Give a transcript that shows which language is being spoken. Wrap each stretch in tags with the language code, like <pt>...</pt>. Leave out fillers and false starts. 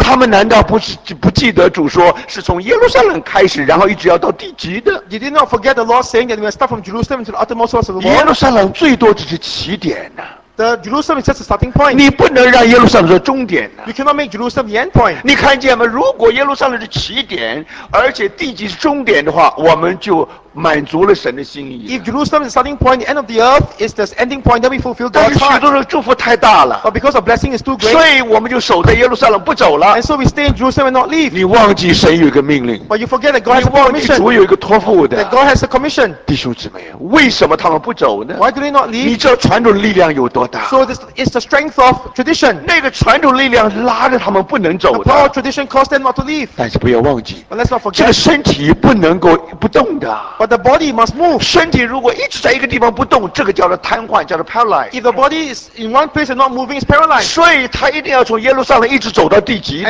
<zh>他们难道不记得主说是从耶路撒冷开始，然后一直要到地极的</zh> <en>？Did they not forget the Lord saying that we start from Jerusalem to the uttermost parts of the world?</en> <zh>耶路撒冷最多只是起点呢、啊。</zh> <en>The Jerusalem is just a starting point.</en> <zh>你不能让耶路撒冷做终点呢。</zh> <en>You cannot make Jerusalem the end point.</en> <zh>你看见吗？如果耶路撒冷是起点，而且地极是终点的话，我们就满足了神的心意。</zh> <en>If Jerusalem is the starting point, the end of the earth is the ending point. Then we fulfill God's heart.</en> <zh>但是许多人祝福太大了。</zh> <en>But because the blessing is too great.</en> <zh>所以我们就守在耶路撒冷不走了。</zh> <en>And so we stay in Jerusalem and not leave.</en> <zh>你忘记神有一个命令。</zh> <en>But you forget that God has a commission.</en> <zh>你忘记主有一个托付的。</zh> <en>That God has a commission.</en> <zh>弟兄姊妹，为什么他们不走呢</zh> <en>？Why do they not leave?</en> <zh>你知道传统力量有多大</zh> <en>？So this is the strength of tradition.</en> <zh>那个传统力量拉着他们不能走的。</zh> <en>The power of tradition caused them not to leave.</en> <zh>但是不要忘记。</zh> <en>But let's not forget.</en> <zh>这个身体不能够不动的。</zh> <en>But the body must move.</en> <zh>身体如果一直在一个地方不动，这个叫做瘫痪，叫做 paralyzed.</zh> <en>If the body is in one place and not moving, it's paralyzed.</en> <zh>所以他一定要从耶路撒冷一直走到地极的。</zh>